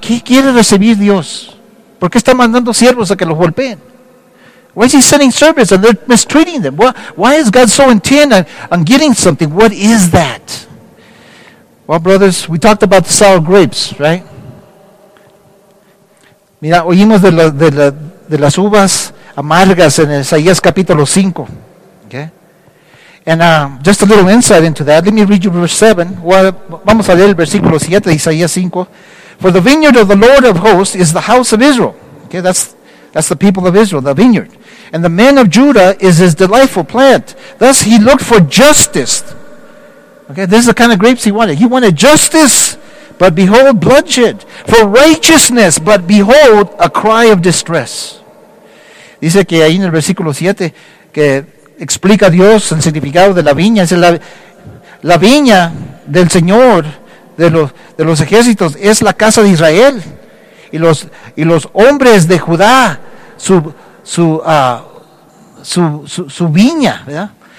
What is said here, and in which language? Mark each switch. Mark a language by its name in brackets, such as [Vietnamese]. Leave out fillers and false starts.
[Spanish] ¿Qué quiere recibir Dios? ¿Por qué está mandando siervos a que los golpeen? [English] Why is he sending servants and they're mistreating them? Why is God so intent on getting something? What is that? Well, brothers, we talked about the sour grapes, right? [Spanish] Mira, oímos de las uvas amargas en Isaías capítulo 5. Okay? And just a little insight into that. Let me read you verse 7. Well, vamos a leer el versículo 7 de Isaías 5. [English] For the vineyard of the Lord of hosts is the house of Israel. Okay, that's the people of Israel, the vineyard. And the men of Judah is his delightful plant. Thus he looked for justice. Okay, this is the kind of grapes he wanted. He wanted justice, but behold, bloodshed. For righteousness, but behold, a cry of distress. [Spanish] Dice que ahí en el versículo 7, que explica a Dios el significado de la viña. Es la viña del Señor, de los ejércitos, es la casa de Israel. y los hombres de Judá su viña, ¿verdad?